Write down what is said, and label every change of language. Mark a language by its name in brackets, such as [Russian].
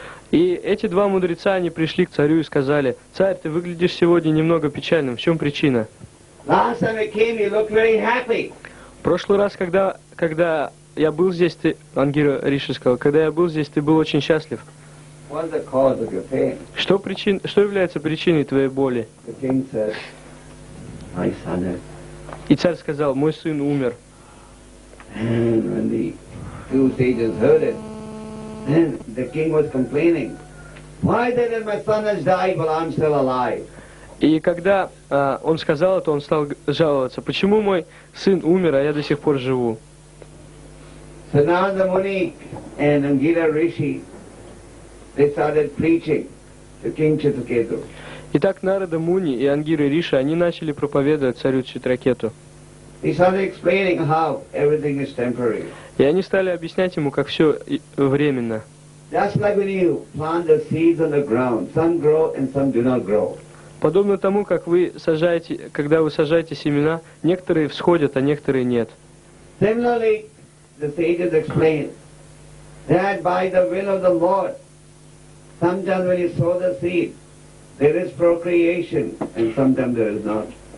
[Russian] И эти два мудреца, они пришли к царю и сказали: «Царь, ты выглядишь сегодня немного печальным. В чем причина?» [English] Last time I came, you looked very happy. [Russian] В прошлый раз, когда я был здесь, ты, Ангира Риши сказал, когда я был здесь, ты был очень счастлив. [English] What's the cause of your pain? [Russian] Что является причиной твоей боли? [English] The king said, "My son is..." [Russian] И царь сказал: «Мой сын умер». [English] And when the two sages heard it, then the king was complaining, "Why then my son has died, but I'm still alive?" [Russian] И когда он сказал это, он стал жаловаться: "Почему мой сын умер, а я до сих пор живу?" [English] So Narada Muni and Angira Rishi, they started preaching to King Chitraketu. [Russian] Итак, Нарада Муни и Ангира Риши, они начали проповедовать царю Читракету. [English] He started explaining how everything is temporary. [Russian] И они стали объяснять ему, как все временно. [English] Just like when you plant the seeds on the ground, some grow and some do not grow. [Russian] Подобно тому, как вы сажаете, когда вы сажаете семена, некоторые всходят, а некоторые нет. [English] Similarly, the sages explain that by the will of the Lord, sometimes when you sow the seed, there is procreation, and sometimes there is not.